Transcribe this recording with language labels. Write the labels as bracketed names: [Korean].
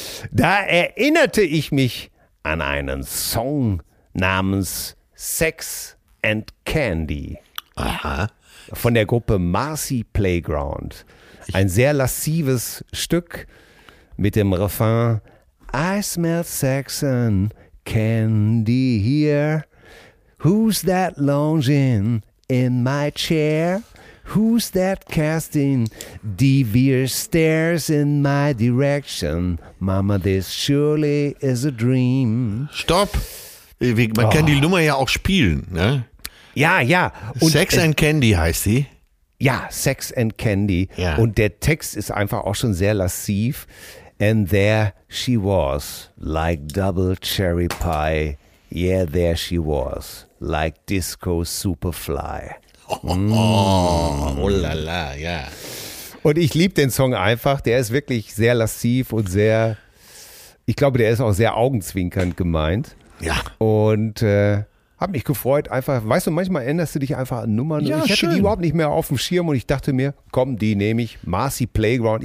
[German] Da erinnerte ich mich an einen Song namens Sex and Candy. Aha. Von der Gruppe Marcy Playground. Ein sehr lassives Stück mit dem Refrain [English] I smell sex and candy here. Who's that lounging in my chair? Who's that casting devious stares in my direction? Mama, this surely is a dream. [German] Stopp! Man kann die Nummer ja auch spielen, ne? Ja, ja. Und Sex and Candy heißt sie. Ja, Sex and Candy. Ja. Und der Text ist einfach auch schon sehr lasziv. [English] And there she was, like double cherry pie. Yeah, there she was, like disco superfly. [German] Oh la la, ja. Und ich liebe den Song einfach. Der ist wirklich sehr lasziv und sehr, ich glaube, der ist auch sehr augenzwinkernd gemeint. Ja. Und hab mich gefreut einfach. Weißt du, manchmal änderst du dich einfach an Nummern. Ja, ich hätte schön. Die überhaupt nicht mehr auf dem Schirm und ich dachte mir, komm, die nehme ich. Marcy Playground.